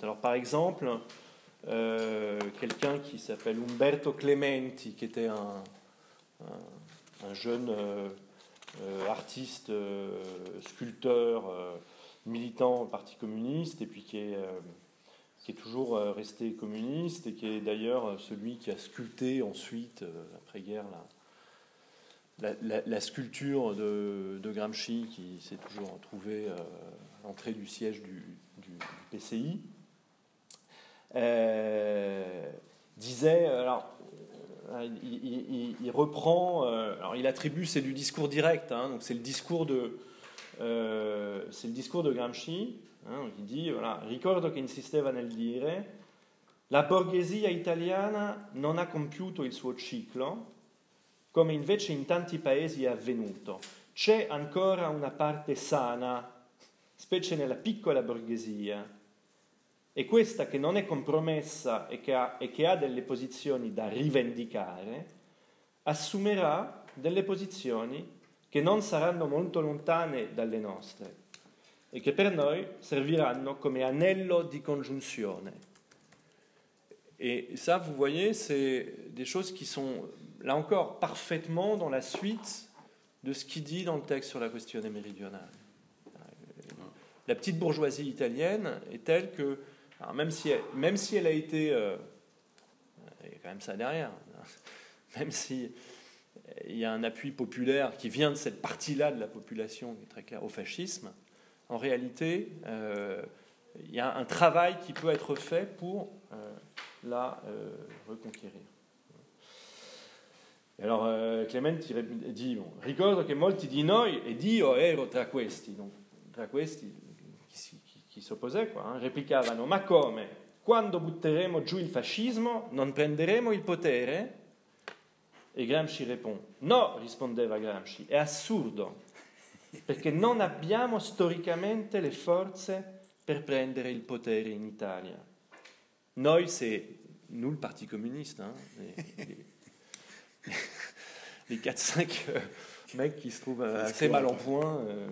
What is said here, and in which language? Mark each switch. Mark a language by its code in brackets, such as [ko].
[fr] Alors, par exemple, quelqu'un qui s'appelle Umberto Clementi, qui était un jeune artiste, sculpteur, militant au Parti communiste, et puis qui est toujours resté communiste, et qui est d'ailleurs celui qui a sculpté ensuite, après-guerre, la sculpture de Gramsci, qui s'est toujours trouvée à l'entrée du siège du PCI, disait... Alors, il reprend, alors il attribue, c'est du discours direct, hein, donc c'est le discours de Gramsci, hein, donc il dit, voilà, « [it] Ricordo che insisteva nel dire, la borghesia italiana non ha compiuto il suo ciclo, come invece in tanti paesi è avvenuto. C'è ancora una parte sana, specie nella piccola borghesia, e questa che non è compromessa e che ha delle posizioni da rivendicare, assumerà delle posizioni che non saranno molto lontane dalle nostre e che per noi serviranno come anello di congiunzione. [fr] E ça, vous voyez, c'est des choses qui sont, là encore, parfaitement dans la suite de ce qu'il dit dans le texte sur la question méridionale. La petite bourgeoisie italienne est telle que, alors même si elle a été, il y a quand même ça derrière, hein, même si il y a un appui populaire qui vient de cette partie-là de la population, qui est très claire, au fascisme, en réalité, il y a un travail qui peut être fait pour reconquérir. Alors Clément dit, bon, [it] « Ricordo che molti di noi e Dio ero tra questi. » Donc, tra questi, [fr] qui s'opposait, quoi, hein, [it] replicavano, ma come? Quando butteremo giù il fascismo, non prenderemo il potere? E Gramsci [fr] répond, [it] no, rispondeva Gramsci, è assurdo, perché non abbiamo storicamente le forze per prendere il potere in Italia. [fr] Noi, c'est nous, le Parti communiste, hein, les 4-5 mecs qui se trouvent assez mal en point.